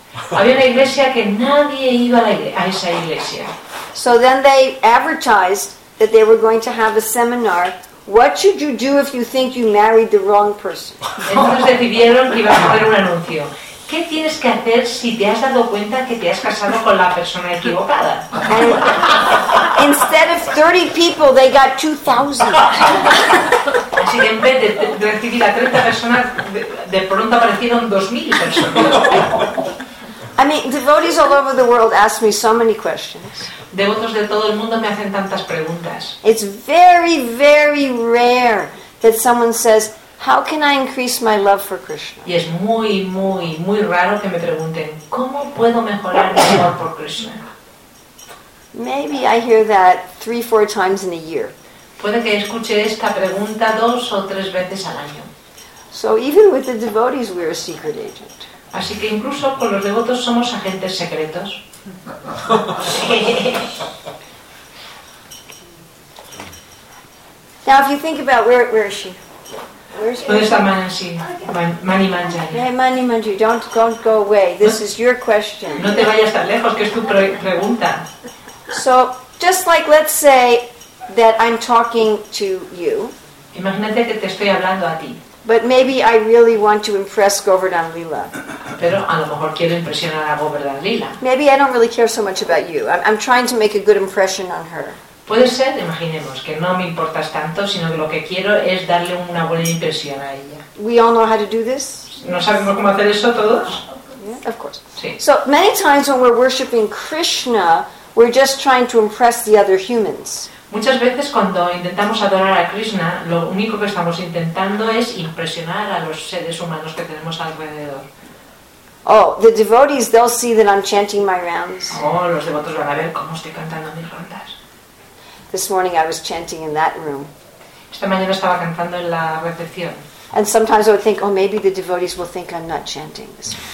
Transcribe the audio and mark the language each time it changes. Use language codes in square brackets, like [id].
[es] Había una iglesia que nadie iba a esa iglesia. [en] So then they advertised that they were going to have a seminar. What should you do if you think you married the wrong person? [es] Entonces decidieron que iba a hacer un anuncio. ¿Qué tienes que hacer si te has dado cuenta que te has casado con la persona equivocada? [en] And instead of 30 people, they got 2,000. [es] Así que en vez de recibir a 30 personas, de pronto aparecieron 2,000 personas. [en] I mean, devotees all over the world ask me so many questions. [es] Devotos de todo el mundo me hacen tantas preguntas. [en] It's very, very rare that someone says, how can I increase my love for Krishna? [es] Y es muy, muy, muy raro que me pregunten, ¿cómo puedo mejorar mi amor por Krishna? [en] Maybe I hear that 3-4 times in a year. [es] Puede que escuche esta pregunta 2 o 3 veces al año. [en] So even with the devotees we're a secret agent. [es] Así que incluso con los devotos somos agentes secretos. [en] Now if you think about where is she? Where's Mani Manjari? Hey Mani Manjari, don't go away. This is your question. [es] No te vayas tan lejos, que es tu pregunta. [en] So just like let's say that I'm talking to you. [es] Imagínate que te estoy hablando a ti. [en] But maybe I really want to impress Govardhan Lila. [es] Pero a lo mejor quiero impresionar a Govardhan Lila. [en] Maybe I don't really care so much about you. I'm trying to make a good impression on her. [es] Puede ser, imaginemos, que no me importas tanto, sino que lo que quiero es darle una buena impresión a ella. [en] We all know how to do this. [es] ¿No sabemos cómo hacer eso todos? [en] Yeah, of course. [es] Sí. [en] So many times when we're worshiping Krishna, we're just trying to impress the other humans. [es] Muchas veces cuando intentamos adorar a Krishna, lo único que estamos intentando es impresionar a los seres humanos que tenemos alrededor. [en] Oh, the devotees, they'll see that I'm chanting my rounds. [es] Oh, los devotos van a ver cómo estoy cantando mis rondas. [en] This morning I was chanting in that room. [es] Esta mañana estaba cantando en la recepción. [en] And sometimes I would think, oh, maybe the devotees will think I'm not chanting this.